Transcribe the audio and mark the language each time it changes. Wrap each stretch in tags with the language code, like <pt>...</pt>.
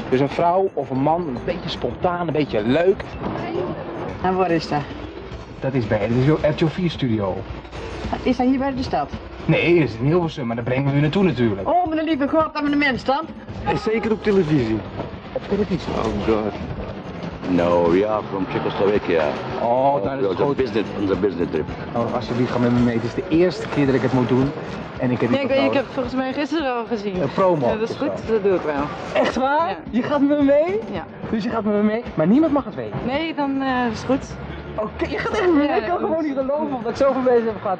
<nl>Dus een vrouw of een man, een beetje spontaan, een beetje leuk. En waar is dat? Dat is bij de RTL4 studio. Is dat hier bij de stad? Nee, dat is in Hilversum, maar daar brengen we u naartoe natuurlijk. Oh, mijn lieve God, dat we een mens dan? Zeker op televisie. Oh God.</nl> <en>No, we are from Czechoslovakia.</en> <nl>Oh, dat is goed.</nl> <en>On the business trip.</en> <nl>Oh, alsjeblieft, ga met me mee. Het is de eerste keer dat ik het moet doen. En ik heb nee, ik heb volgens mij gisteren al gezien. Een promo. Ja, dat is goed, dat doe ik wel. Echt waar? Ja. Je gaat met me mee? Ja. Dus je gaat met me mee, maar niemand mag het weten. Nee, dan is goed. Oké, je gaat echt mee. Ja, ik kan gewoon niet geloven dat ik zoveel mensen heb gehad.</nl>